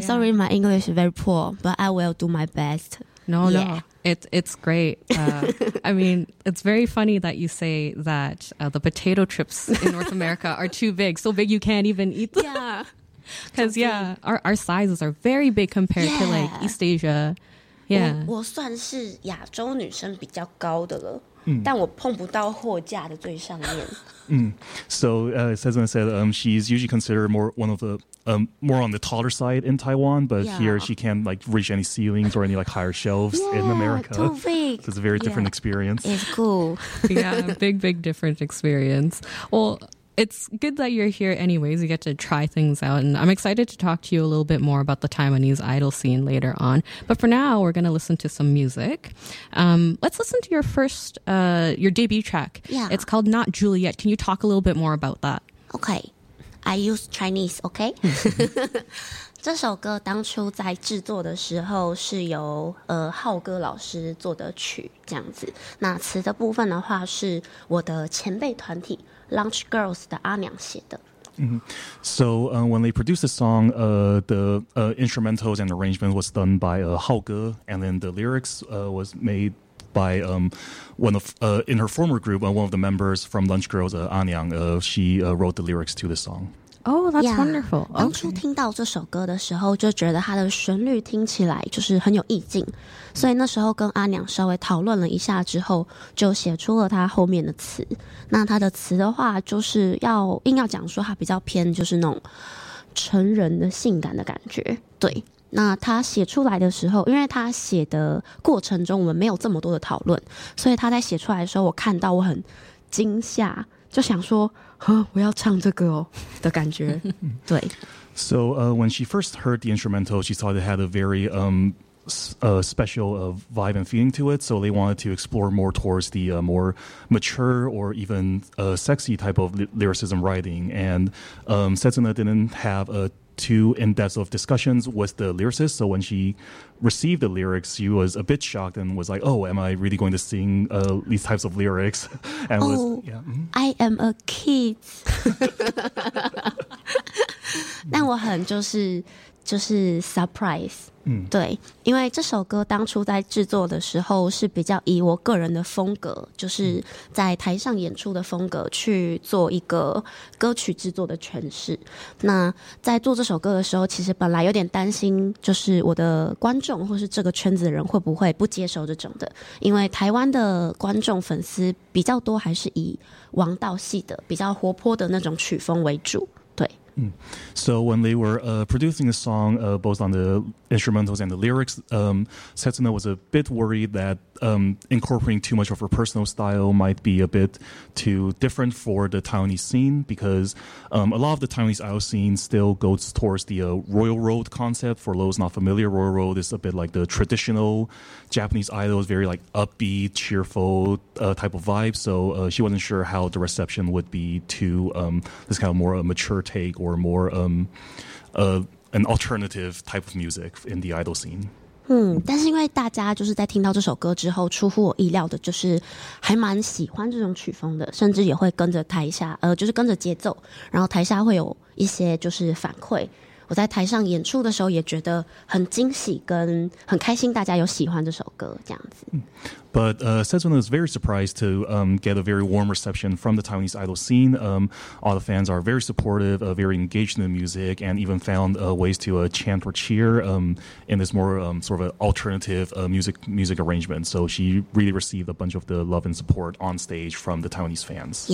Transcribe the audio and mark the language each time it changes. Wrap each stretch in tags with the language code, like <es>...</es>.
<en>Sorry, my English is very poor, but I will do my best. No. It's great. I mean, it's very funny that you say that the potato chips in North America are too big. So big you can't even eat them. Yeah. Because, our sizes are very big compared to, like, East Asia. Yeah.</en> <zh>我算是亚洲女生比较高的了。但我碰不到货架的最上面。</zh> <en>So, Sezana said she's usually considered more one of the more on the taller side in Taiwan, but here she can't like reach any ceilings or any like higher shelves in America. Too big. So it's a very different experience. It's cool. Yeah, big different experience. Well, it's good that you're here anyways. You get to try things out. And I'm excited to talk to you a little bit more about the Taiwanese idol scene later on. But for now, we're going to listen to some music. Let's listen to your first, your debut track. Yeah. It's called Not Juliet. Can you talk a little bit more about that? Okay. I use Chinese, okay?</en> <zh>这首歌当初在制作的时候是由浩哥老师做的曲这样子，那词的部分的话是我的前辈团体 Lunch Girls 的阿娘写的。</zh> <en>So when they produced the song, the instrumentals and arrangement was done by Hao Ge, and then the lyrics was made by in her former group, one of the members from Lunch Girls, Anyang. She wrote the lyrics to the song. Oh, that's yeah, wonderful. Okay.</en> <zh>当初听到这首歌的时候，就觉得它的旋律听起来就是很有意境，所以那时候跟阿娘稍微讨论了一下之后，就写出了它后面的词。那它的词的话，就是要硬要讲说它比较偏就是那种成人的性感的感觉。对，那它写出来的时候，因为它写的过程中我们没有这么多的讨论，所以它在写出来的时候，我看到我很惊吓，就想说。我要唱这个哦的感觉对</zh> <en>So when she first heard the instrumental, she thought it had a very special vibe and feeling to it, so they wanted to explore more towards the more mature or even sexy type of lyricism writing. And Setsuna didn't have too in-depth of discussions with the lyricist, so when she received the lyrics, she was a bit shocked and was like, oh, am I really going to sing these types of lyrics? And oh, was, yeah. mm-hmm. I am a kid.</en> <zh>但我很就是 surprise、嗯、对，因为这首歌当初在制作的时候是比较以我个人的风格，就是在台上演出的风格去做一个歌曲制作的诠释。那在做这首歌的时候，其实本来有点担心，就是我的观众或是这个圈子的人会不会不接受这种的，因为台湾的观众粉丝比较多还是以王道系的比较活泼的那种曲风为主。</zh> <en>So when they were producing a song, both on the instrumentals and the lyrics, Setsuna was a bit worried that incorporating too much of her personal style might be a bit too different for the Taiwanese scene, because a lot of the Taiwanese idol scene still goes towards the Royal Road concept. For those not familiar, Royal Road is a bit like the traditional Japanese idol, very like upbeat, cheerful type of vibe. So she wasn't sure how the reception would be to this kind of more mature take or more an alternative type of music in the idol scene.</en> <zh>但是因为大家就是在听到这首歌之后，出乎我意料的就是还蛮喜欢这种曲风的，甚至也会跟着台下就是跟着节奏，然后台下会有一些就是反馈。我在台上演出的时候也觉得很惊喜跟很开心大家有喜欢这首歌这样子。</zh> <en>But Setsuna is very surprised to get a very warm reception from the Taiwanese idol scene. All the fans are very supportive, very engaged in the music, and even found ways to chant or cheer in this more sort of an alternative music arrangement. So she really received a bunch of the love and support on stage from the Taiwanese fans.</en>